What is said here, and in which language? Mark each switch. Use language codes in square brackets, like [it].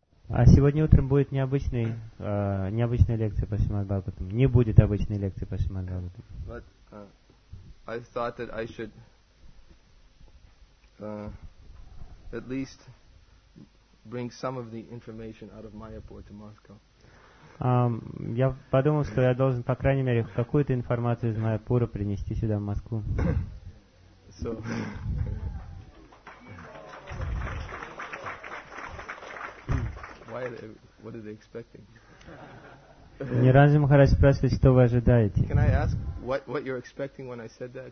[ru] А сегодня утром будет необычная лекция по Шримад Бхагаватам. Не будет обычной лекции по Шримад Бхагаватам. [en] But I thought that I should at least bring some of the information out of Mayapur to Moscow. [ru] Я подумал, что я должен по крайней мере какую-то информацию из Майяпура принести сюда в Москву. [en] So. Why are they, what are they expecting? [ru] Не раньше Махарадж спрашивает, что вы ожидаете. [en] Can I ask what you're expecting when I said that?